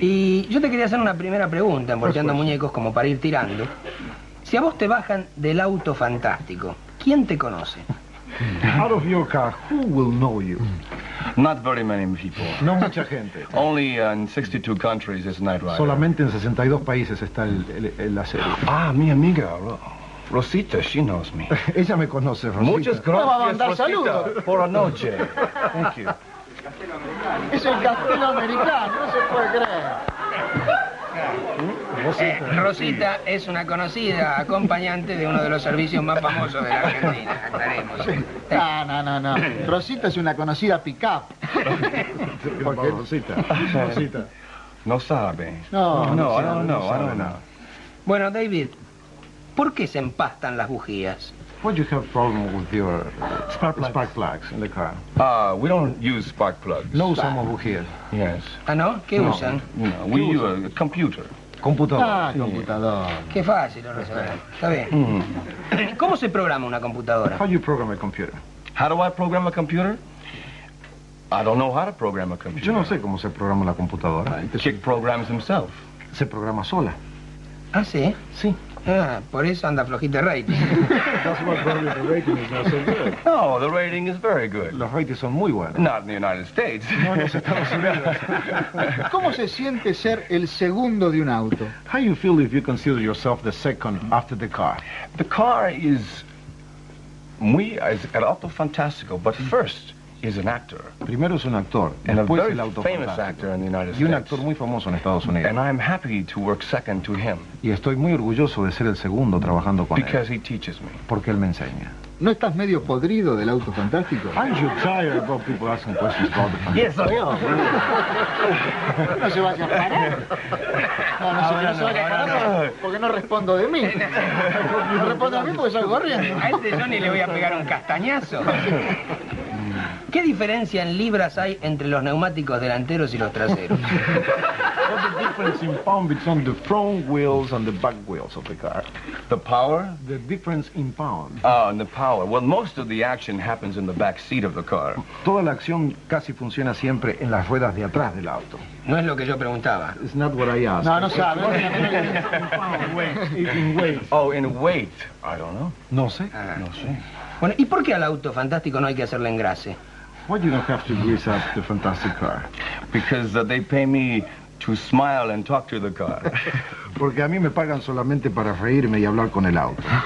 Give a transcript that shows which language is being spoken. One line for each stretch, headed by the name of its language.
Spanish: Y yo te quería hacer una primera pregunta, envolviendo muñecos, como para ir tirando. Si a vos te bajan del auto fantástico, ¿quién te conoce?
English: Out of your car, who will know you? Not very many people.
Spanish: No mucha gente.
English: Only in 62 countries is Knight Rider.
Spanish: Solamente en 62 países está la serie. Ah, mi amiga, Rosita,
English: she knows me.
Spanish: Ella me conoce, Rosita. Muchas gracias, Rosita. Me va a mandar saludos. Por anoche.
English: Thank you.
Spanish: Es el castelo americano, no se puede creer. Rosita es una conocida acompañante de uno de los servicios más famosos de la Argentina. No. Rosita es una conocida pick-up. Porque... Rosita. No sabe. No. Bueno, David, ¿por qué se empastan las bujías?
English: What do you have problem with your spark plugs in the car? We don't use spark plugs.
Spanish: No usamos bujías.
English: Yes.
Spanish: Ah, no? ¿Qué no, usan?
English: No, we use a computer.
Spanish: Computador. Ah, computador. Qué fácil lo resolver. Está bien. ¿Cómo se programa una computadora?
English: How do you program a computer? How do I program a computer? I don't know how to program a computer.
Spanish: Yo no sé cómo se programa la computadora.
English: Chick programs himself.
Spanish: Se programa sola. Ah, ¿sí? Sí. Ah, por eso anda flojita el rating.
English: That's why probably the rating is not so good. No, the rating is very good.
Spanish: Los ratings son muy buenos.
English: Not in the United States.
Spanish: No, en los Estados Unidos. ¿Cómo se siente ser el segundo de un auto?
English: How you feel if you consider yourself the second after the car? The car is...
Spanish: Muy... Es el auto fantástico,
English: but first... Is an actor.
Spanish: Primero es un actor,
English: and
Spanish: después
English: a very
Spanish: el auto
English: famous actor in the United
Spanish: States. Y un actor muy famoso en Estados Unidos.
English: And I'm happy to work second to him.
Spanish: Y estoy muy orgulloso de ser el segundo trabajando con
English: Because
Spanish: él.
English: He teaches me.
Spanish: Porque él me enseña. ¿No estás medio podrido del auto fantástico?
English: Aren't you tired about people asking questions about the fantástico? Yes, I am.
Spanish: No se vaya a parar. Porque no respondo de mí. No respondo a mí porque salgo corriendo. A este Johnny le voy a pegar un castañazo. ¿Qué diferencia en libras hay entre los neumáticos delanteros y los traseros?
English: What's the difference in pound between the front wheels and the back wheels of the car? The power? The difference in pound. Oh, and the power. Well, most of the action happens in the back seat of the car.
Spanish: Toda la acción casi funciona siempre en las ruedas de atrás del auto. No es lo que yo preguntaba.
English: It's not what I asked.
Spanish: No, no sabe.
English: In pound, weight. In weight. Oh, in weight. I don't know.
Spanish: No sé. No sé. Bueno, ¿y por qué al auto fantástico no hay que hacerle engrase?
English: Why do you not have to grease up the fantastic car? Because they pay me to smile and talk to the car.
Spanish: Porque a mí me pagan solamente para reírme y hablar con el auto.